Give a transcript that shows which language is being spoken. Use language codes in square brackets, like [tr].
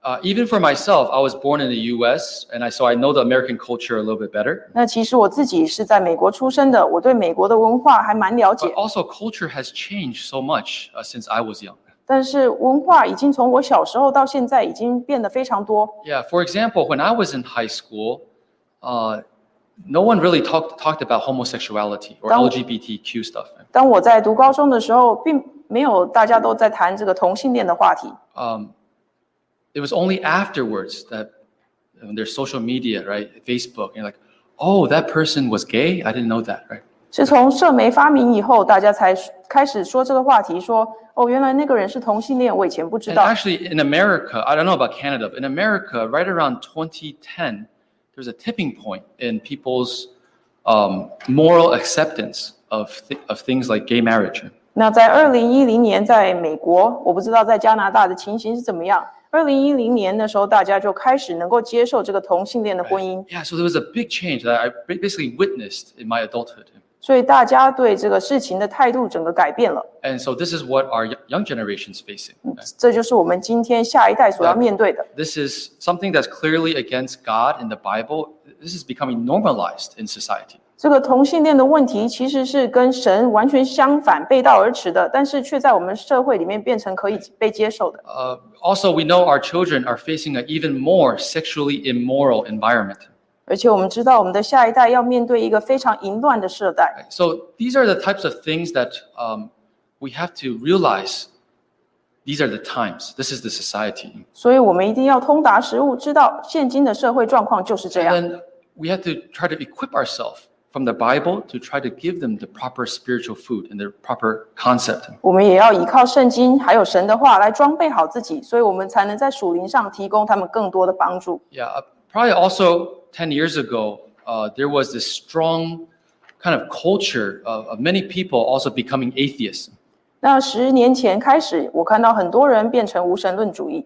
[en] Even for myself, I was born in the U.S., and so I know the American culture a little bit better. [zh] 那其实我自己是在美国出生的，我对美国的文化还蛮了解。 [en] But also, culture has changed so much since I was young. [zh] 但是文化已经从我小时候到现在已经变得非常多。 [en] Yeah, for example, when I was in high school, no one really talked about homosexuality or LGBTQ stuff. [zh] 当我在读高中的时候，并没有大家都在谈这个同性恋的话题。 [en] It was only afterwards that when there's social media, right? Facebook, and you're like, oh, that person was gay? I didn't know that, right? [zh] 是从社媒发明以后，大家才开始说这个话题，说哦，原来那个人是同性恋，我以前不知道。 [en] And actually, in America, I don't know about Canada, but in America, right around 2010, there's a tipping point in people's moral acceptance of things like gay marriage. [zh] 那在2010年，在美国，我不知道在加拿大的情形是怎么样。 2010年的时候，大家就开始能够接受这个同性恋的婚姻。 [en] Right. Yeah, so there was a big change that I basically witnessed in my adulthood. [zh] 所以大家对这个事情的态度整个改变了。 [en] And so this is what our young generation is facing. [zh] 这就是我们今天下一代所要面对的。 [en] This is something that's clearly against God and the Bible. This is becoming normalized in society. [zh] 这个同性恋的问题其实是跟神完全相反、背道而驰的，但是却在我们社会里面变成可以被接受的。 [en] Also, we know our children are facing an even more sexually immoral environment. [zh] 而且我们知道我们的下一代要面对一个非常淫乱的世代。 [en] So these are the types of things that we have to realize. These are the times. This is the society. [zh] 所以我们一定要通达实务，知道现今的社会状况就是这样。 [en] And we have to try to equip ourselves. From the Bible to try to give them the proper spiritual food and the proper concept. [zh] 我们也要依靠圣经还有神的话来装备好自己，所以我们才能在属灵上提供他们更多的帮助。 [en] Yeah, probably also 10 years ago, there was this strong kind of culture of many people also becoming atheists. [zh] 那十年前开始，我看到很多人变成无神论主义。